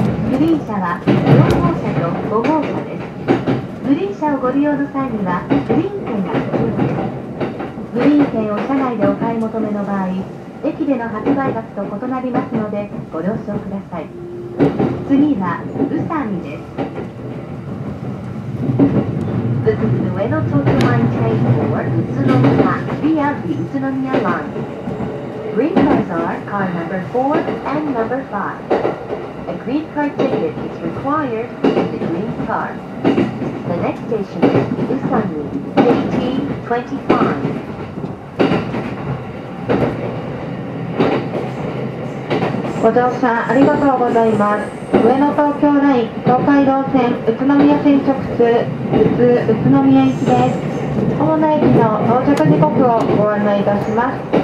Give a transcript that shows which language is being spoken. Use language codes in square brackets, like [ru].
[ja] グリーン車は4号車と5号車です。グリーン車をご利用の際にはグリーン券が必要です。グリーン券を車内でお買い求めの場合、駅での発売額と異なりますのでご了承ください。次は宇佐美です。 [en] This is the Ueno Tokyo Line train for Utsunomiya via the Utsunomiya line. Green cars are car number 4 and number 5. A green car ticket is required in the green car. The next station is Utsunomiya, 1825. [ja] ご乗車ありがとうございます。上野東京ライン東海道線宇都宮線直通宇都宮行きです。主な駅の到着時刻をご案内いたします。